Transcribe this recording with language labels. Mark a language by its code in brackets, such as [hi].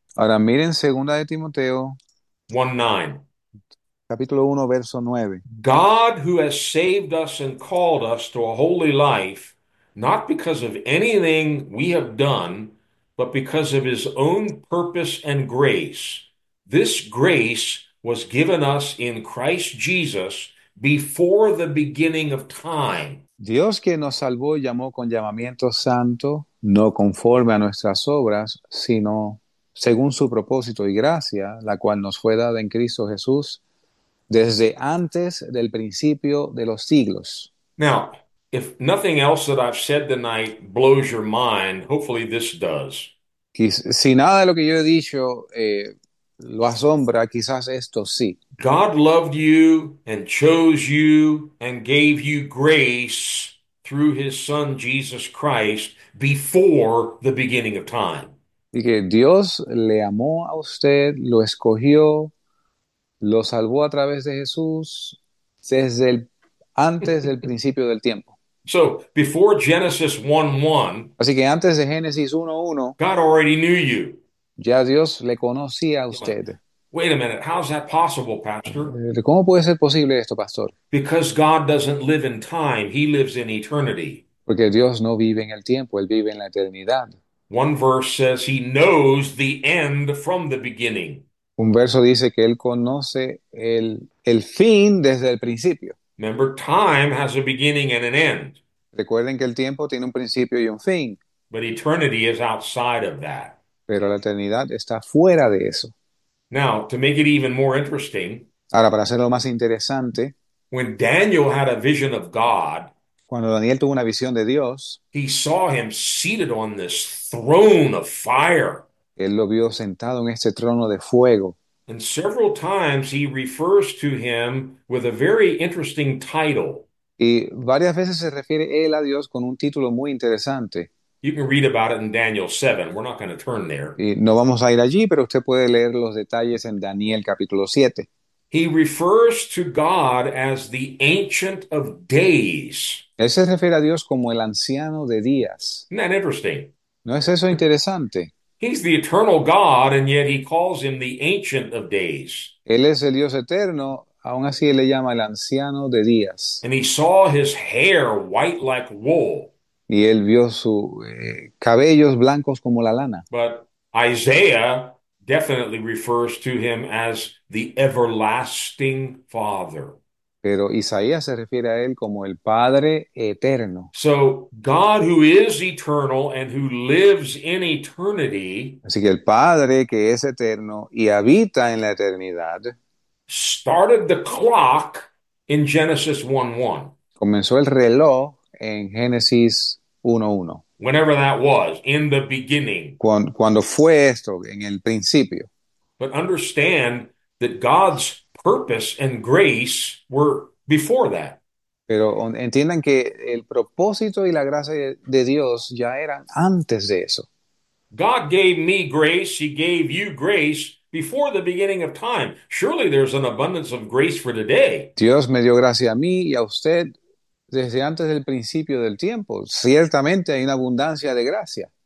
[es] Ahora miren segunda de Timoteo, 1:9. capítulo 1, verso 9. [en] God, who has saved us and called us to a holy life, not because of anything we have done, but because of his own purpose and grace. This grace was given us in Christ Jesus before the beginning of time. [es] Dios que nos salvó y llamó con llamamiento santo, no conforme a nuestras obras, sino según su propósito y gracia, la cual nos fue dada en Cristo Jesús desde antes del principio de los siglos. [en] Now, if nothing else that I've said tonight blows your mind, hopefully this does. [es] Y si nada de lo que yo he dicho lo asombra, quizás esto sí. [en] God loved you and chose you and gave you grace through his son Jesus Christ before the beginning of time. [es] Y que Dios le amó a usted, lo escogió, lo salvó a través de Jesús desde antes del principio del tiempo. [en] So, before Genesis 1:1, [es] Así que antes de Génesis 1:1, [en] God already knew you. [es] ya Dios le conocía a [en] You're like, [es] usted. [en] wait a minute, how's that possible, Pastor? [es] ¿Cómo puede ser posible esto, pastor? [en] Because God doesn't live in time, he lives in eternity. [es] Porque Dios no vive en el tiempo, Él vive en la eternidad. [en] One verse says he knows the end from the beginning. [es] Un verso dice que él conoce el fin desde el principio. [en] Remember, time has a beginning and an end. [es] Recuerden que el tiempo tiene un principio y un fin, [en] But eternity is outside of that. [es] pero la eternidad está fuera de eso. [en] Now, to make it even more interesting, [es] Ahora, para hacerlo más interesante, [en] when Daniel had a vision of God, [es] cuando Daniel tuvo una visión de Dios, [en] he saw him seated on this throne of fire. [es] él lo vio sentado en este trono de fuego. [en] And several times he refers to him with a very interesting title. [es] Y varias veces se refiere él a Dios con un título muy interesante. [en] You can read about it in Daniel 7. We're not going to turn there. [es] Y no vamos a ir allí, pero usted puede leer los detalles en Daniel capítulo 7. [en] He refers to God as the Ancient of Days. [es] Él se refiere a Dios como el anciano de días. [en] Isn't that interesting? [es] ¿No es eso interesante? [en] He's the eternal God, and yet he calls him the Ancient of Days. [es] Él es el Dios eterno, aun así él le llama el anciano de días. [en] And he saw his hair white like wool. [es] Y él vio sus cabellos blancos como la lana. [en] But Isaiah definitely refers to him as the Everlasting Father. [es] Pero Isaías se refiere a él como el Padre eterno. [en] So God, who is eternal and who lives in eternity, [es] Así que el Padre que es eterno y habita en la eternidad, [en] started the clock in Genesis 1:1. [es] comenzó el reloj en Génesis 1:1. [en] Whenever that was, in the beginning. [es] Cuando fue esto, en el principio. [en] But understand that God's purpose and grace were before that. [es] Pero entiendan que el propósito y la gracia de Dios ya eran antes de eso. [en] God gave me grace, he gave you grace before the beginning of time. Surely there's an abundance of grace for today. [es] Dios me dio gracia a mí y a usted desde antes del principio del tiempo. Ciertamente hay una abundancia de gracia.